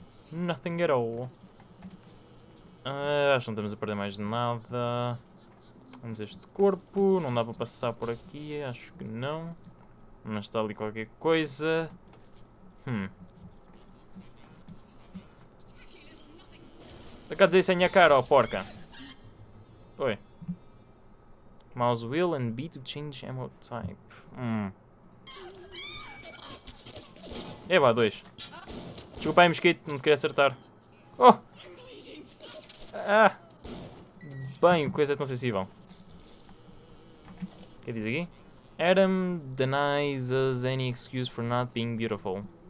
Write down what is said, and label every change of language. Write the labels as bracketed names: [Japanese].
[English] Nothing at all. [Portuguese] Acho que não estamos a perder mais nada. Vamos este corpo. Não dá para passar por aqui. Acho que não. Mas está ali qualquer coisa. Está cá a dizer isso em minha cara, ó porca. Oi. [English] Mouse wheel and B to change ammo type. [Portuguese] Eba, dois. Desculpa aí, mosquito, não te queria acertar. Oh! Ah! Bem, coisa tão sensível. O que diz aqui? [English] Adam denies us any excuse for not being beautiful.